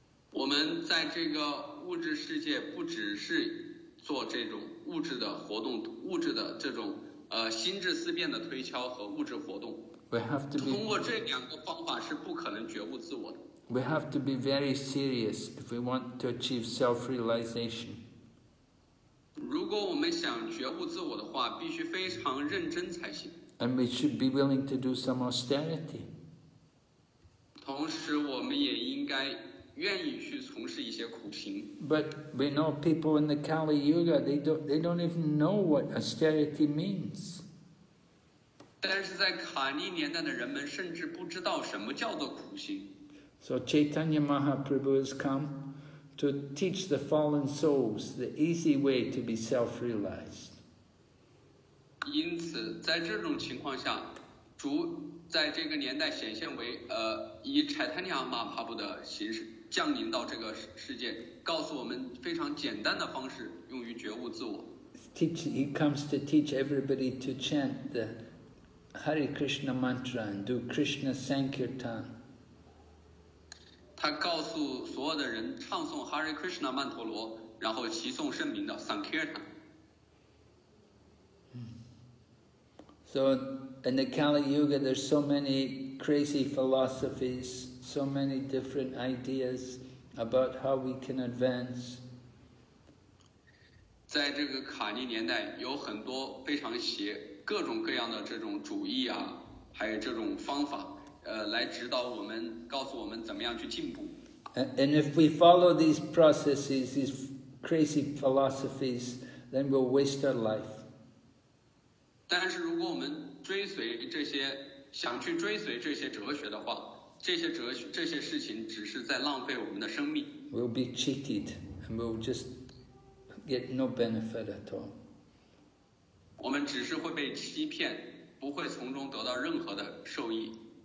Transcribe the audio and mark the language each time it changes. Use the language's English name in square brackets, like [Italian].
[Chinese] 我们在这个物质世界不只是做这种物质的活动，物质的这种心智思辨的推敲和物质活动。 [English] We have to be. [Chinese] 通过这两个方法是不可能觉悟自我的。 [English] We have to be very serious if we want to achieve self-realization. [Chinese] 如果我们想觉悟自我的话，必须非常认真才行。 [English] And we should be willing to do some austerity. [Chinese] 同时，我们也应该愿意去从事一些苦行。 [English] But we know people in the Kali Yuga, they don't even know what austerity means. [Chinese] 但是在卡尼年代的人们甚至不知道什么叫做苦行。 [English] So Chaitanya Mahaprabhu has come to teach the fallen souls the easy way to be self-realized. [Chinese] 因此，在这种情况下，主在这个年代显现为以 Chaitanya Mahaprabhu 的形式降临到这个世界，告诉我们非常简单的方式用于觉悟自我。 [English] He comes to teach everybody to chant the Hare Krishna mantra and do Krishna Sankirtan. [Chinese] 他告诉所有的人唱诵 Hare Krishna 曼陀罗，然后齐诵圣名的 Sankirtan。 [English] So in the Kali Yuga, there's so many crazy philosophies, so many different ideas about how we can advance. [Chinese] 在这个卡尼年代，有很多非常邪、各种各样的这种主义啊，还有这种方法。来指导我们，告诉我们怎么样去进步。 [English] And if we follow these processes, these crazy philosophies, then we'll waste our life. [Chinese] 但是如果我们追随这些，想去追随这些哲学的话，这些事情只是在浪费我们的生命。 [English] We'll be cheated, and we'll just get no benefit at all. [Chinese] 我们只是会被欺骗，不会从中得到任何的受益。